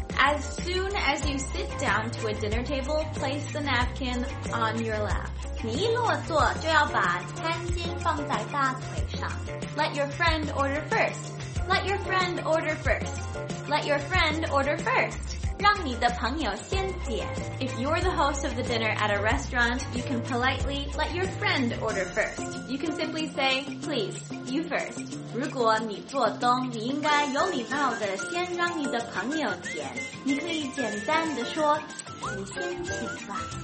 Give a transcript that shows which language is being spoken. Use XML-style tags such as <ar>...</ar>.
<en>As soon as you sit down to a dinner table, place the napkin on your lap.</en> <zh>你一落座就要把餐巾放在大腿上。</zh> <en>Let your friend order first. Let your friend order first. Let your friend order first.</en> <zh>让你的朋友先点。</zh> <en>If you're the host of the dinner at a restaurant, you can politely let your friend order first. You can simply say, please, you first.</en> <zh>如果你做东，你应该有礼貌的先让你的朋友点。你可以简单的说，你先请吧。</zh>